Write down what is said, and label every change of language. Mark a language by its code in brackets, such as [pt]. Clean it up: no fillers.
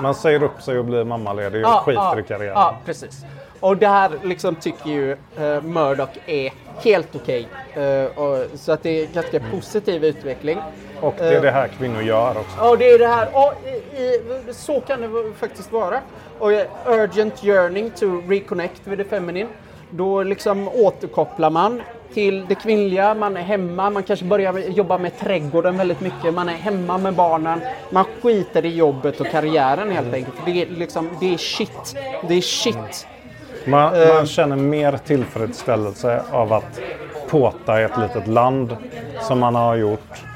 [sv] Man säger upp sig och blir mammaledig och skiter i karriären. Ja, precis. Och det här liksom tycker ju Murdoch är helt okej. Så att det är ganska positiv utveckling. Och det är det här kvinnor gör också. Ja, det är det här. Och så kan det faktiskt vara. [en] Och urgent yearning to reconnect with the feminine. [sv] Då liksom återkopplar man till det kvinnliga, man är hemma, man kanske börjar jobba med trädgården väldigt mycket, man är hemma med barnen, man skiter i jobbet och karriären helt enkelt, det är liksom, det är shit. Man känner mer tillfredsställelse av att påta i ett litet land som man har gjort.